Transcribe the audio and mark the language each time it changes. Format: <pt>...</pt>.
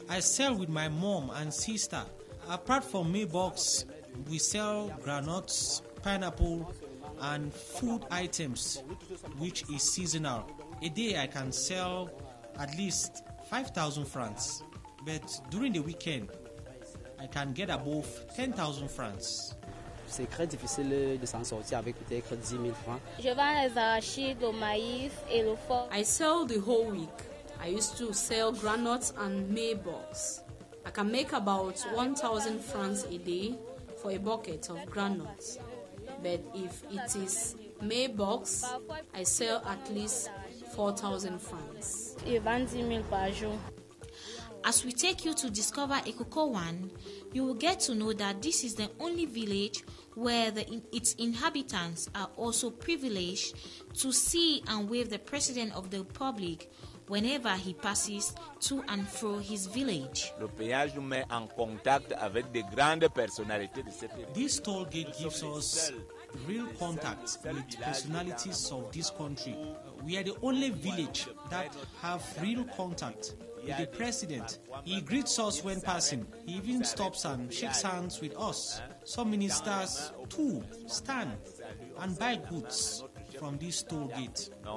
<en>I sell with my mom and sister. Apart from maybox, we sell granuts, pineapple, and food items, which is seasonal. A day I can sell at least 5,000 francs, but during the weekend, I can get above 10,000 francs.</en> <fr>C'est très difficile de s'en sortir avec peut-être 10,000 francs. Je vends les arachides, le maïs et le foie.</fr> <en>I sell the whole week. I used to sell granuts and maybox. I can make about 1,000 francs a day for a bucket of granuts. But if it is maybox, I sell at least 4,000 francs.</en> <fr>Je vends 10,000 par jour.</fr> <en>As we take you to discover Ekokowan, you will get to know that this is the only village where its inhabitants are also privileged to see and wave the President of the Republic whenever he passes to and fro his village.</en> <fr>Le péage met en contact avec de grandes personnalités de cette ville.</fr> <en>This toll gate gives us real contact with personalities of this country. We are the only village that have real contact with the president. He greets us when passing. He even stops and shakes hands with us. Some ministers too stand and buy goods from this toll gate.</en>